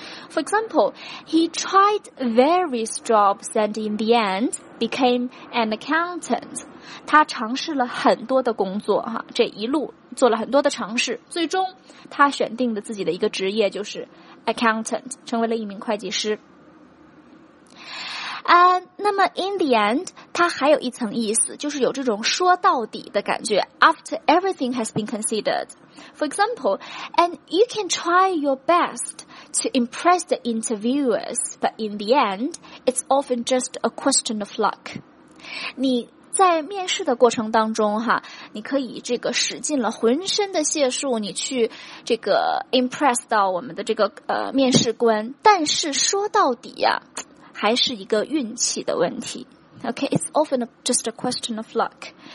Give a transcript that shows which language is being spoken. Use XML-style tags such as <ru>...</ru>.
<en>For example, he tried various jobs and in the end became an accountant.</en> <zh>他尝试了很多的工作，这一路做了很多的尝试，最终他选定的自己的一个职业就是 accountant, 成为了一名会计师。那么 in the end, 它还有一层意思，就是有这种说到底的感觉。</zh> <en>After everything has been considered. For example, and you can try your best to impress the interviewers, but in the end, it's often just a question of luck.</en> <zh>你在面试的过程当中哈，你可以这个使尽了浑身的解数，你去这个 impress 到我们的这个面试官，但是说到底呀，还是一个运气的问题。</zh> <en>Okay, it's often just a question of luck.</en>